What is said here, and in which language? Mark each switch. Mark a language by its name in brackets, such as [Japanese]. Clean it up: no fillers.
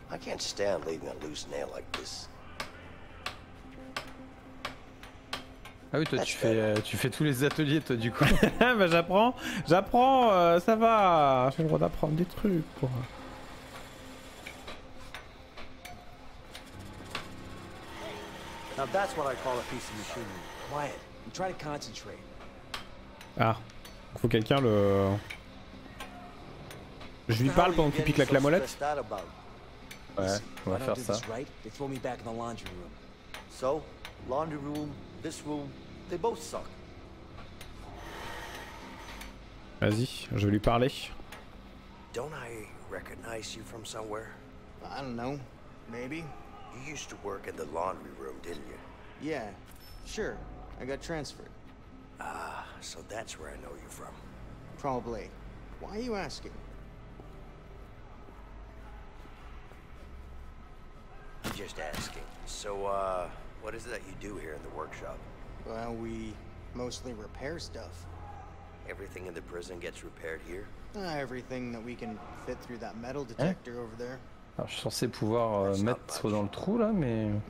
[English] I can't stand leaving a loose nail like this. [French] Ah oui, toi tu fais tous les ateliers toi du coup. Bah j'apprends, ça va, j'ai le droit d'apprendre des trucs quoi. [English] Now that's what I call a piece of machinery. Quiet. And try to concentrate. [French] Ah. Faut quelqu'un le. Je lui parle pendant qu'il pique la molette. Ouais, on va faire ça. Right, [English] they throw me back in the laundry room. So, laundry room, this room, they both suck. [French] Vas-y, je vais lui parler. [English] Don't I recognize you from somewhere? I don't know. Maybe. You used to work in the laundry room, didn't you? Yeah, sure. I got transferred. Ah, so that's where I know you from. Probably. Why are you asking? I'm just asking. So, what is it that you do here in the workshop? Well, we mostly repair stuff. Everything in the prison gets repaired here? Everything that we can fit through that metal detector over there. [French] Alors, je suis censé pouvoir mettre dans le trou là, mais.